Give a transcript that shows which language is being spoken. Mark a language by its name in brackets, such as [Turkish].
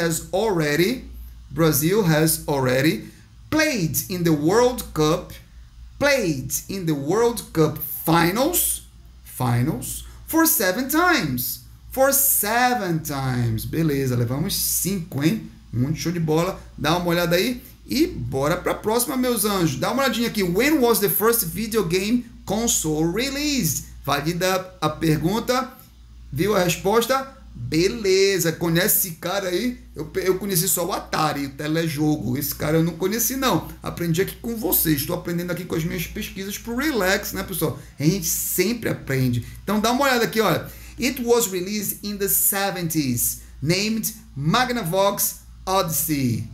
[English] Brazil has already played in the World Cup finals for seven times. [Portuguese] Beleza, levamos 5, hein? Muito show de bola. Dá uma olhada aí e bora pra próxima, meus anjos. Dá uma olhadinha aqui. [English] When was the first video game console released? [Portuguese] Valida a pergunta. Viu a resposta? Beleza, conhece esse cara aí? Eu conheci só o Atari, o telejogo. Esse cara eu não conheci, não. Aprendi aqui com vocês. Estou aprendendo aqui com as minhas pesquisas pro Relax, né, pessoal? A gente sempre aprende. Então dá uma olhada aqui, olha. [English] It was released in the 70s, named Magnavox Odyssey.